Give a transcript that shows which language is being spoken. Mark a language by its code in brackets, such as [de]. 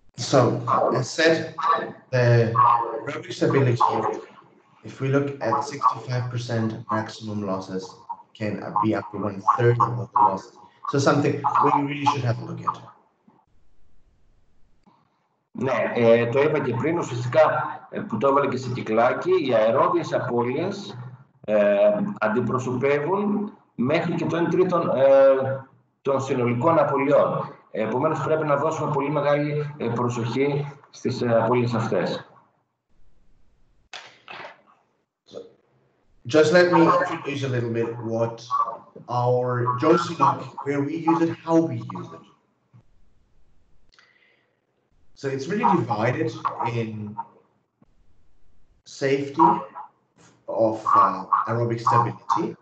[en] So, as said, the roughage stability, if we look at 65% maximum losses, can be up to 1/3 of the losses. So something we really should have a look at. [el] Ναι, το είπα και πριν, ουσιαστικά που το έβαλε και σε κυκλάκι, οι αερόβιες απώλειες αντιπροσωπεύουν μέχρι και το 1/3 των συνολικών απολειών. Επομένως, πρέπει να δώσουμε πολύ μεγάλη προσοχή στις απώλειες αυτές. [en] Just let me introduce a little bit what our Josinoc, where we use it, how we use it. So it's really divided in safety of aerobic stability.